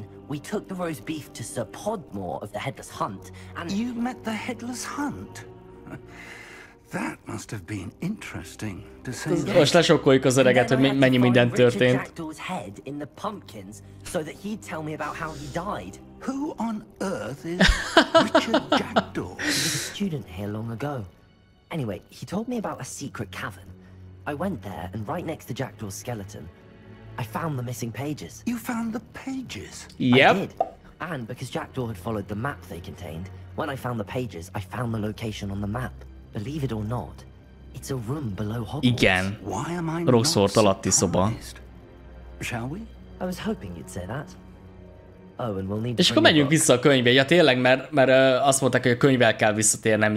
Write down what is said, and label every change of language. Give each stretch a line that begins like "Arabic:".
English: We took the roast beef to Sir Podmore of the Headless Hunt, and you met the Headless Hunt. That must have been interesting to say.
Hungarian: Most lesokkoljuk az öreget, hogy mennyi minden történt.
English: Head in the pumpkins, so that he'd tell me about how he died. Who on earth is Richard Jackdaw? He was a student here long ago. Anyway, he told me about a secret cavern. I went there, and right next to Jackdaw's skeleton. I found the missing pages. You found the pages? Yep. I did. And because Jackdaw had followed the map they contained, when I found the pages, I found the location on the map. Believe it or not, it's a room below Hogwarts. Igen. Why am I not surprised? Shall we? I was hoping you'd say that. Oh, and we'll need to.
Hungarian: És akkor menjünk vissza a könyvbe. Ja, tényleg, mert azt mondták, hogy a könyvvel kell visszatérnem.